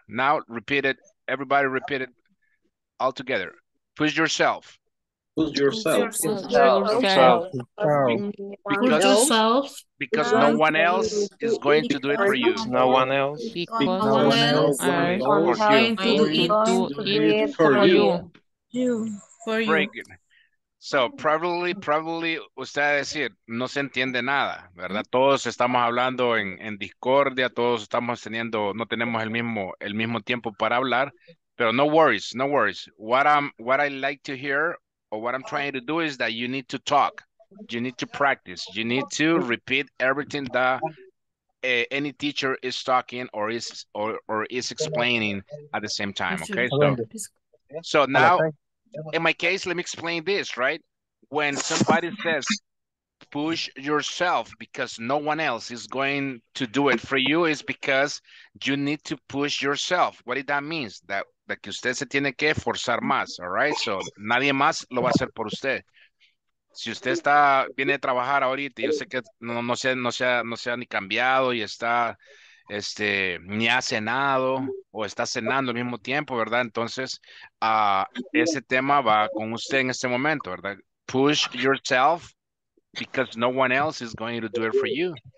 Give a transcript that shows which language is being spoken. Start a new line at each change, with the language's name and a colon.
English: Now repeat it. Everybody repeat it all together. Push yourself. Push yourself. Push yourself. Push yourself. Push yourself. Because, push yourself. Because no one else is going to do it for you. No one else. Because no one else is going to do it for you. You. For you. Very good. So, probably,
Spanish: usted va a decir, no se entiende nada, ¿verdad? Todos estamos hablando en discordia, todos estamos teniendo, no tenemos el mismo tiempo para hablar, pero
English: no worries, no worries. What I like to hear, or what I'm trying to do, is that you need to talk, you need to practice, you need to repeat everything that any teacher is talking or is explaining at the same time, okay? So now... In my case, let me explain this, right? When somebody says, push yourself because no one else is going to do it for you is because you need to push yourself. What does that mean? That
Spanish: que usted se tiene que forzar más,
English: all right?
Spanish: So nadie más lo va a hacer por usted. Si usted está, viene a trabajar ahorita, yo sé que no sea ni cambiado y está, ni ha cenado o está cenando al mismo tiempo, ¿verdad? Entonces, ese tema va con usted en este momento, ¿verdad?
English: Push yourself because no one else is going to do it for you.